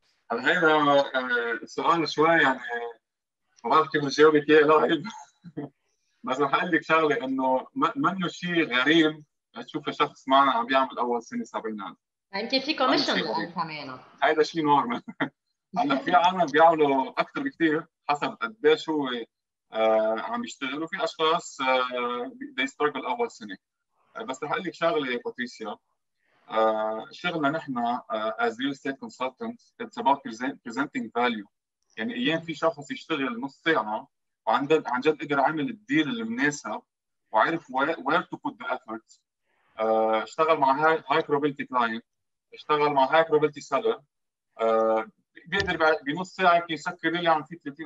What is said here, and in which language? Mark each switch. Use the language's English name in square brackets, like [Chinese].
[Arabic] هلا هذا السؤال شوي يعني ما بعرف كيف نجاوبك إياه لايف بس رح أقول لك شغلة إنه منه شيء غريب أشوف شخص معنا عم بيعمل أول سنة سبعينات. يمكن في كوميشن كمان. هذا شيء نورمال. هلا في عالم بيعملوا أكثر بكثير حسب قديش هو عم يشتغل، وفي أشخاص [English] they struggle [Arabic] أول سنة. بس رح أقول لك شغلة يا باتريسيا. شغلنا نحن [English] as real estate consultants it's about presenting value. [Arabic] يعني أيام في شخص يشتغل نص ساعة وعنده عن جد قدر عمل الديل المناسب وعرف [English] where to put the effort. [Arabic] اشتغل مع هاي probability client، اشتغل مع هاي probability seller، بيقدر بنص ساعة يسكر اللي عم فيه $30.